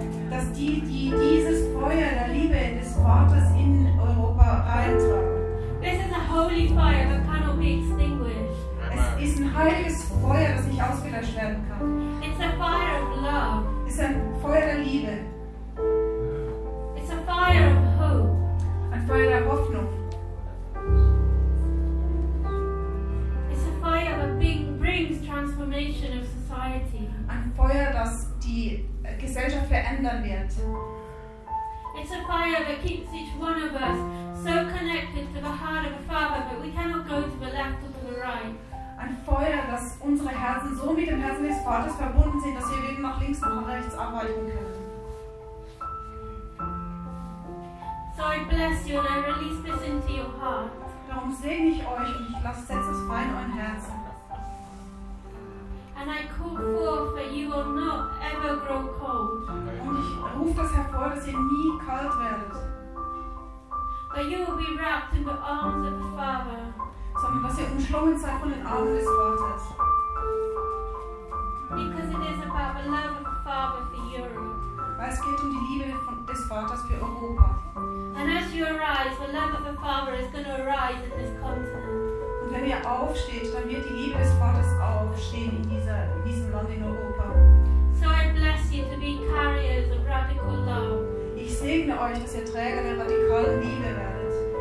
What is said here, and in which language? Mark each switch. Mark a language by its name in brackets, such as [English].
[German] Dass die dieses Feuer der Liebe des Vaters in Europa reintragen. [English] This is a holy fire that cannot be extinguished. [German] Es ist ein heiliges Feuer, das nicht ausgelöscht werden kann. [English] It's a fire of love. [German] Es ist ein Feuer der Liebe. [English] It's a fire of hope. [German] Ein Feuer der Hoffnung. [English] It's a fire that brings transformation of society. [German] Ein Feuer, das die Gesellschaft verändern wird. [English] It's a fire that keeps each one of us so connected to the heart of the Father that we cannot go to the left or to the right. [German] Ein Feuer, das unsere Herzen so mit dem Herzen des Vaters verbunden sind, dass wir weder nach links noch nach rechts arbeiten können. [English] So I bless you and I release this into your heart. [German] Darum segne ich euch und ich setze es frei in euren Herzen. [English] And I call forth that you will not ever grow cold. [German] Und ich rufe das hervor, dass ihr nie kalt werdet. [English] But you will be wrapped in the arms of the Father. [German] Sondern dass ihr umschlungen seid von den Armen des Vaters. [English] Because it is about the love of the Father for Europe. [German] Weil es geht um die Liebe des Vaters für Europa. [English] And as you arise, the love of the Father is going to arise in this continent. [German] Wenn ihr aufsteht, dann wird die Liebe des Vaters aufstehen in diesem Land in Europa. [English] So I bless you to be carriers of radical love. [German] Ich segne euch, dass ihr Träger der radikalen Liebe werdet.